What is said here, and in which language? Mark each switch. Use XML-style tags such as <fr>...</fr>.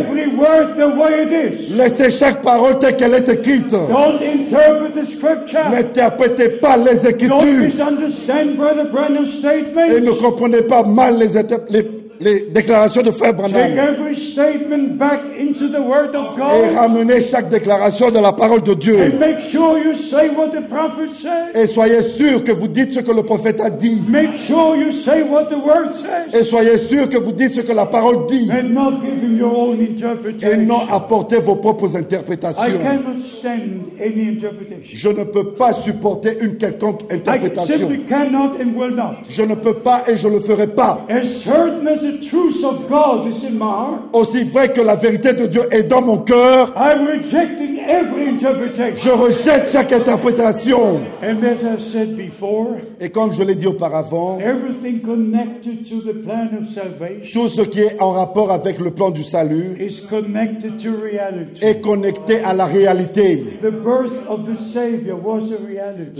<en>every word the way it is.</en> <fr>Laissez chaque parole telle qu'elle est écrite.</fr> <en>Don't interpret the scripture.</en> <fr>N'interprétez pas les Écritures.</fr> <en>Don't misunderstand Brother Branham's statements.</en> <fr>Et ne comprenez pas mal les interprétations. Les déclarations de Frère Branham.</fr> <en>Take every statement back into the word of God.</en> <fr>Et ramenez chaque déclaration de la parole de Dieu.</fr> <en>And make sure you say what the prophet says.</en> <fr>Et soyez sûr que vous dites ce que le prophète a dit.</fr> <en>Make sure you say what the word says.</en> <fr>Et soyez sûr que vous dites ce que la parole dit.</fr> <en>And not giving your own interpretation.</en> <fr>Et non apportez vos propres interprétations.</fr> <en>I cannot stand any interpretation.</en> <fr>Je ne peux pas supporter une quelconque interprétation.</fr> <en>I simply cannot and will not.</en> <fr>Je ne peux pas et je ne le ferai pas.</fr> <en>The truth of God is in my heart.</en> <fr>Aussi vrai que la vérité de Dieu est dans mon cœur.</fr> <en>I'm rejecting every interpretation.</en> <fr>Je rejette chaque interprétation.</fr> <en>And as I said before,</en> <fr>et comme je l'ai dit auparavant,</fr> <en>everything connected to the plan of salvation,</en> <fr>tout ce qui est en rapport avec le plan du salut,</fr> <en>is connected to reality.</en> <fr>Est connecté à la réalité.</fr> <en>The birth of the Savior was a reality.</en>